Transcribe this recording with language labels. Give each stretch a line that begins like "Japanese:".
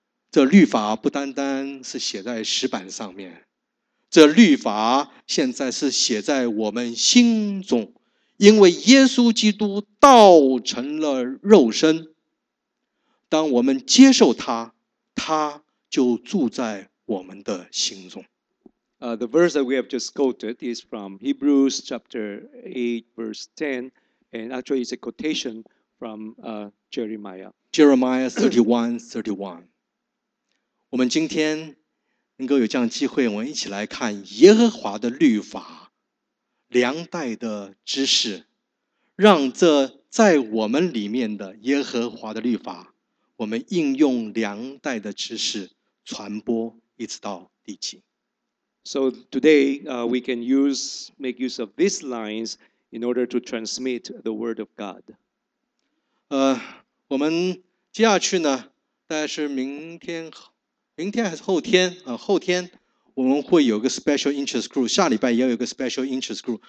Chinese: 这律法不单单是写在石板上面，这律法现在是写在我们心中，因为耶稣基督道成了肉身，当我们接受他，他就住在我们的心中。
English: The verse that we have just quoted is from Hebrews chapter 8 verse 10, and actually it's a quotation from Jeremiah. Jeremiah 31:31.
Chinese: 我们今天能够有这样的机会，我们一起来看耶和华的律法，两代的知识，让这在我们里面的耶和华的律法，我们应用两代的知识传播一直到地极。
English: So today, we can make use of these lines in order to transmit the word of God.
Chinese: 我们接下去呢，大概是明天还是后天啊、后天我们会有个
English: special interest group，
Chinese: 下礼拜也有个 special interest group。